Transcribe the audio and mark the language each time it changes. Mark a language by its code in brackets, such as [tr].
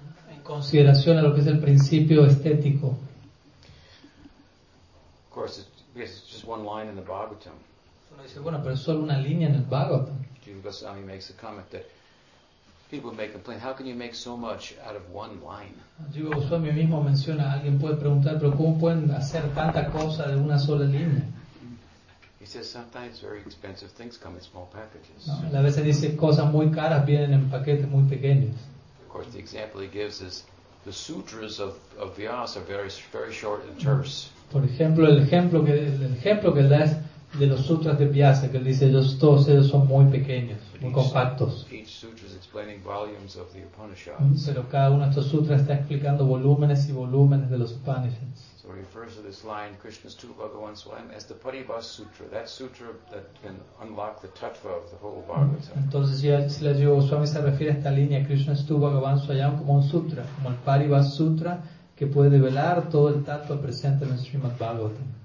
[es] En consideración a lo que es el principio estético. [en] Of course, it's just one line in the Bhagavatam. [es] Uno dice, bueno, pero es solo una línea en el Bhagavatam. [en] Rupa Goswami makes a comment that people make a complaint. How can you make so much out of one line? [es] Jiva Goswami mismo menciona. Alguien puede preguntar, pero ¿cómo pueden hacer tanta cosa de una sola línea? [en] He says sometimes very expensive things come in small packages. [es] No, a veces dice cosas muy caras vienen en paquetes muy pequeños. [en] Of course, the example he gives is the sutras of Vyasa are very very short and terse. [es] Por ejemplo, el ejemplo que da es de los sutras de Vyasa, que él dice, todos ellos son muy pequeños, muy compactos. [en] Each sutra is explaining volumes of the Upanishads. [es] Pero cada uno de estos sutras está explicando volúmenes y volúmenes de los Upanishads. [en] So he refers to this line, Krishna's two Bhagavan Swayam, as the Paribhas Sutra, that sutra that can unlock the tattva of the whole Bhagavatam. [es] Entonces, si la Jiva Goswami se refiere a esta línea, Krishna's two Bhagavan Swayam, como un sutra, como el Paribhas Sutra, que puede develar todo el tattva presente en el Srimad Bhagavatam.